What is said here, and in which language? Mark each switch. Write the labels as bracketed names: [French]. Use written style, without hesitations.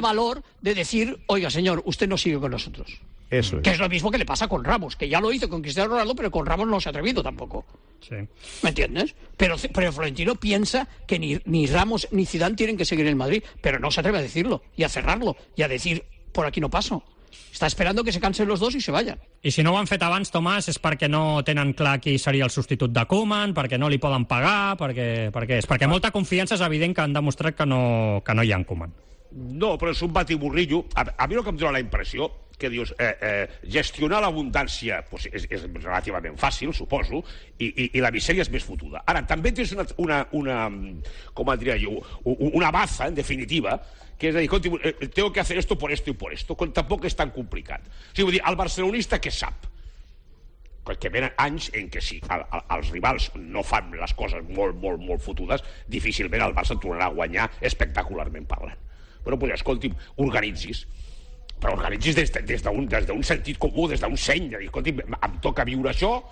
[Spanish] valor de decir, oiga, señor, usted no sigue con nosotros. Eso es. Que es lo mismo que le pasa con Ramos, que ya lo hizo con Cristiano Ronaldo, pero con Ramos no se ha atrevido tampoco. Sí. ¿Me entiendes? Pero Florentino piensa que ni Ramos ni Zidane tienen que seguir en el Madrid, pero no se atreve a decirlo y a cerrarlo y a decir, por aquí no paso. [Catalan] Està esperant que se cansen els dos i [Spanish] se vayan. [Catalan] I si no ho han fet abans, Tomàs, és perquè no tenen clar qui seria el substitut de Koeman, perquè no li poden pagar, perquè molta confiança és evident que han demostrat que no hi ha en Koeman. No, però és un batiburrillo. A mi el que em dóna la impressió, que dius, gestionar l'abundància pues és relativament fàcil, suposo, i la misèria és més fotuda. Ara, també tens una baza, [Spanish] en definitiva, que es decir, tengo que hacer esto por esto y por esto, tampoco es tan complicado. [Catalan] O sigui, el barcelonista que sap, que venen anys en què si els rivals no fan les coses molt, molt, molt fotudes, difícilment el Barça tornarà a guanyar espectacularment parlant. Però, pues, escolti, organitzis. però organitzis des d'un sentit comú, des d'un seny, de dir, escolti, em toca viure això...